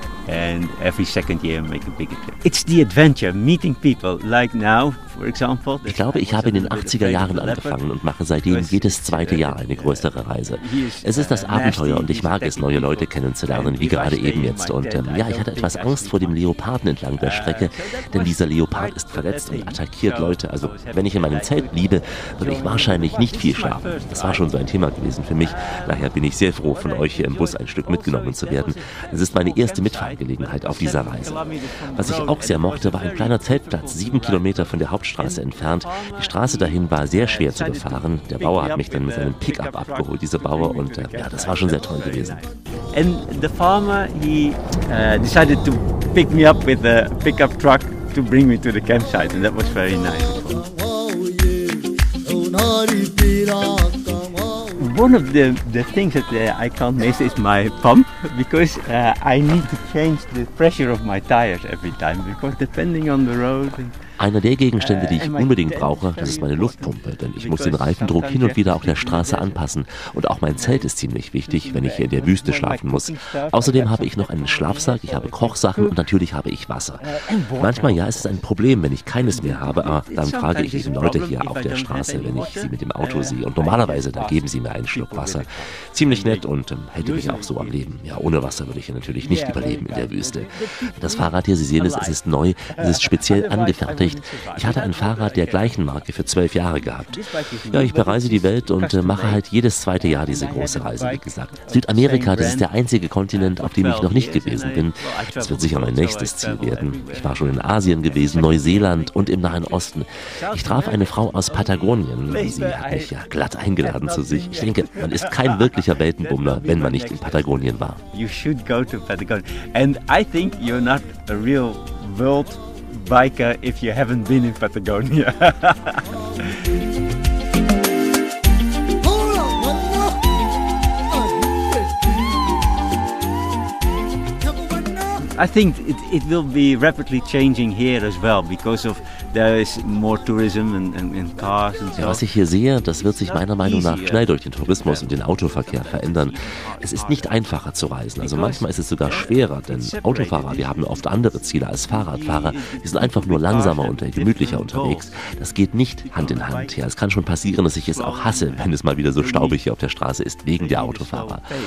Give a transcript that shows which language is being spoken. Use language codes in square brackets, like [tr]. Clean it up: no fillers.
[en] And every second year make a bigger trip. It's the adventure, meeting people, like now, for example. [de] Ich glaube, ich habe in den 80er Jahren angefangen und mache seitdem jedes zweite Jahr eine größere Reise. Es ist das Abenteuer und ich mag es, neue Leute kennenzulernen, wie gerade eben jetzt. Und ja, ich hatte etwas Angst vor dem Leoparden entlang der Strecke, denn dieser Leopard ist verletzt und attackiert Leute. Also, wenn ich in meinem Zelt liebe, würde ich wahrscheinlich nicht viel schlafen. Das war schon so ein Thema gewesen für mich. Daher bin ich sehr froh, von euch hier im Bus ein Stück mitgenommen zu werden. Es ist meine erste Mitfahrt. Gelegenheit auf dieser Reise. Was ich auch sehr mochte, war ein kleiner Zeltplatz, 7 Kilometer von der Hauptstraße entfernt. Die Straße dahin war sehr schwer zu befahren. Der Bauer hat mich dann mit seinem Pickup abgeholt, dieser Bauer, und ja, das war schon sehr toll gewesen. [en] And the farmer, he decided to pick me up with a pickup truck to bring me to the campsite, and that was very nice. One of the things that I can't miss is my pump, because I need to change the pressure of my tires every time, because depending on the road. [de] Einer der Gegenstände, die ich unbedingt brauche, das ist meine Luftpumpe, denn ich muss den Reifendruck hin und wieder auf der Straße anpassen. Und auch mein Zelt ist ziemlich wichtig, wenn ich hier in der Wüste schlafen muss. Außerdem habe ich noch einen Schlafsack, ich habe Kochsachen und natürlich habe ich Wasser. Manchmal, ja, ist es ein Problem, wenn ich keines mehr habe, aber dann frage ich eben Leute hier auf der Straße, wenn ich sie mit dem Auto sehe. Und normalerweise, da geben sie mir einen Schluck Wasser. Ziemlich nett und hätte mich auch so am Leben. Ja, ohne Wasser würde ich hier natürlich nicht überleben in der Wüste. Das Fahrrad hier, Sie sehen es, es ist neu, es ist speziell angefertigt. nicht. Ich hatte ein Fahrrad der gleichen Marke für 12 Jahre gehabt. Ja, ich bereise die Welt und mache halt jedes zweite Jahr diese große Reise, wie gesagt. Südamerika, das ist der einzige Kontinent, auf dem ich noch nicht gewesen bin. Das wird sicher mein nächstes Ziel werden. Ich war schon in Asien gewesen, Neuseeland und im Nahen Osten. Ich traf eine Frau aus Patagonien. Sie hat mich ja glatt eingeladen zu sich. Ich denke, man ist kein wirklicher Weltenbummler, wenn man nicht in Patagonien war. [en] You should go to Patagonia. And I think you're not a real world biker if you haven't been in Patagonia. I think it will be rapidly changing here as well because of there is more tourism and cars and so. [de] Was ich hier sehe, das wird sich meiner Meinung nach schnell durch den Tourismus und den Autoverkehr verändern. Es ist nicht einfacher zu reisen, also manchmal ist es sogar schwerer, denn Autofahrer, wir haben oft andere Ziele als Fahrradfahrer. Wir sind einfach nur langsamer und gemütlicher unterwegs. Das geht nicht Hand in Hand her. Es kann schon passieren, dass ich es auch hasse, wenn es mal wieder so staubig hier auf der Straße ist, wegen der Autofahrer.